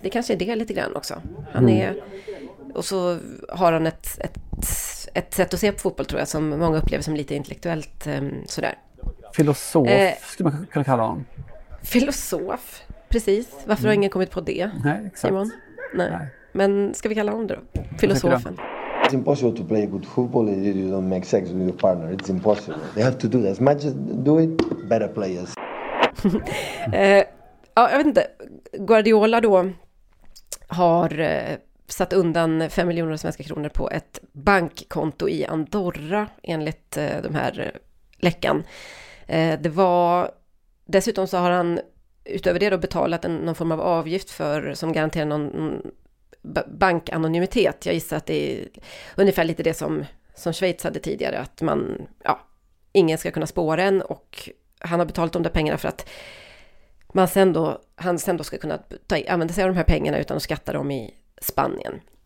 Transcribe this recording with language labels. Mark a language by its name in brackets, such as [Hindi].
[Swedish] Det kanske är det lite grann också. Han är, och så har han ett sätt att se på fotboll, tror jag, som många upplever som lite intellektuellt sådär. Filosof skulle man kunna kalla honom. Filosof, precis. Varför har ingen kommit på det? Nej, exakt. Nej. Men ska vi kalla honom då? Filosofen. [English] It's impossible to play good football if you don't make sex with your partner. It's impossible. They have to do that. As much as do it, better players. [Swedish] Ja, jag vet inte. Guardiola då har satt undan 5 miljoner svenska kronor på ett bankkonto i Andorra, enligt de här läckan. Det var, dessutom så har han utöver det då betalat en, någon form av avgift för, som garanterar någon bankanonymitet. Jag gissar att det är ungefär lite det som Schweiz hade tidigare, att man, ja, ingen ska kunna spåra en, och han har betalt de där pengarna för att man sen då, han sen då ska kunna använda sig av de här pengarna utan att skatta dem i Spanien.